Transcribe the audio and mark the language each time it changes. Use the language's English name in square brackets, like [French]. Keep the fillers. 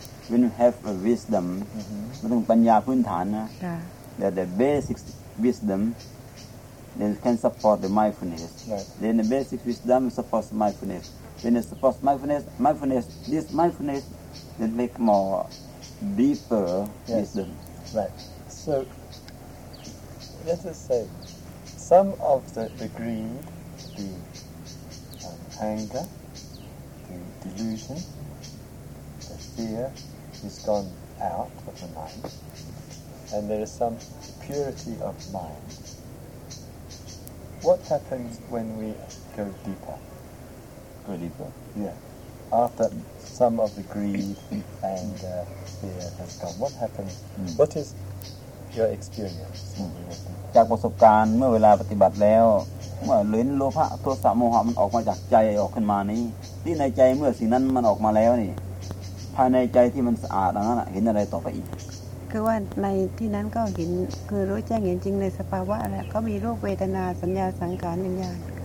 [English] when you have a wisdom [Thai] มันต้องปัญญาพื้นฐานนะ ค่ะ [English] that the basic wisdom then can support the mindfulness Right. then the basic wisdom supports mindfulness when it supports mindfulness mindfulness this mindfulness then make more deeper Yes. wisdom Right. So let us say some of the, the greed, the um, anger, the delusion, the fear is gone out of the mind, and there is some purity of mind. What happens when we go deeper? go deeper. Yeah. After some of the greed and uh, fear has gone, what happens? Mm. What is your experience? when you went deeper? [Thai] จากประสบการณ์เมื่อเวลาปฏิบัติแล้ว เมื่อเลนโลภะโทสะโมหะมันออกมาจากใจออกขึ้นมานี้ที่ในใจเมื่อสิ่งนั้นมันออกมาแล้วนี่ ภายในใจที่มันสะอาดอันนั้นน่ะเห็นอะไรต่อไปอีก คือว่าในที่นั้นก็เห็นคือรู้แจ้งเห็นจริงในสภาวะแหละก็มีรูปเวทนาสัญญาสังขารวิญญาณ